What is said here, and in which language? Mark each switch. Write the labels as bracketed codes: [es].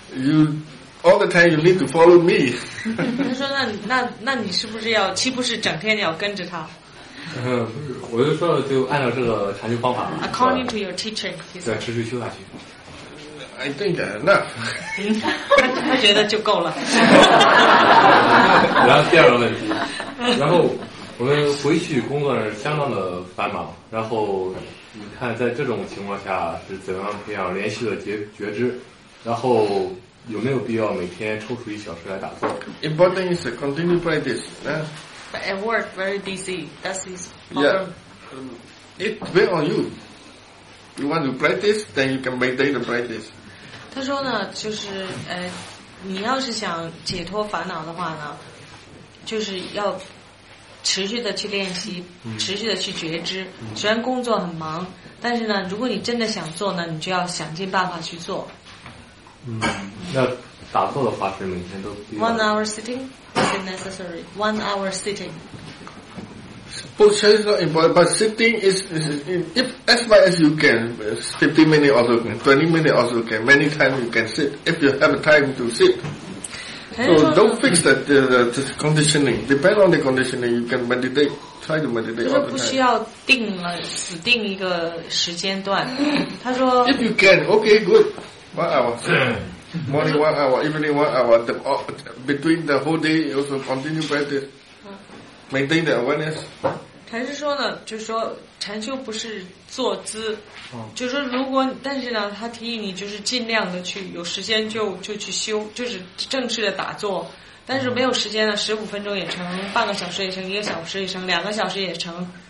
[en] You all the time you need to follow me. [zh] 他说那你是不是要岂不是整天要跟着他？我就说就按照这个禅修方法。 [en] According to your teaching, [zh] 对，持续修下去。 [en] I think that enough. [zh] 他觉得就够了。然后第二个问题，然后。我们回去工作是相当的繁忙，然后你看在这种情况下是怎样培养连续的觉知，然后有没有必要每天抽出一小时来打坐 [en] ？Important is continue practice. But at work very busy. That's his problem. Yeah, it depends on you. You want to practice, then you can maintain the practice. [zh] 他说呢，就是你要是想解脱烦恼的话呢，就是要。持续的去练习，持续的去觉知。虽然工作很忙，但是呢，如果你真的想做呢，你就要想尽办法去做。嗯，那打坐的话是每天都必要。 [en] 1 hour sitting is necessary. 1 hour sitting. Both sides are important, but sitting is as much as you can. 15 minutes also can, 20 minutes also can. Many times you can sit if you have time to sit. So don't fix that the conditioning. Depend on the conditioning. You can meditate. Try to meditate. [zh] 就是不需要定了，死定一个时间段。他说 [en] ，If you can, okay, good. 1 hour, morning 1 hour, evening 1 hour. The between the whole day also continue practice. Maintain the awareness. [zh] 禅师说呢，就是说禅修不是坐姿，就是说如果但是呢，他提议你就是尽量的去有时间就去修，就是正式的打坐。但是没有时间呢，15分钟也成，半个小时也成，一个小时也成，两个小时也成。